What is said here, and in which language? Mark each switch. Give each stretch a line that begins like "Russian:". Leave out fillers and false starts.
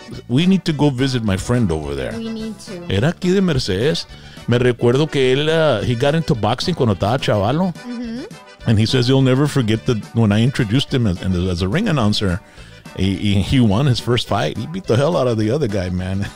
English: We need to go visit my friend over there. We need to.
Spanish: Era aquí de Mercedes. Me recuerdo que él,
English: he got into boxing
Spanish: cuando estaba chavalo. Mm-hmm.
English: And he says he'll never forget that when I introduced him as a ring announcer. He won his first fight. He beat the hell out of the other guy, man.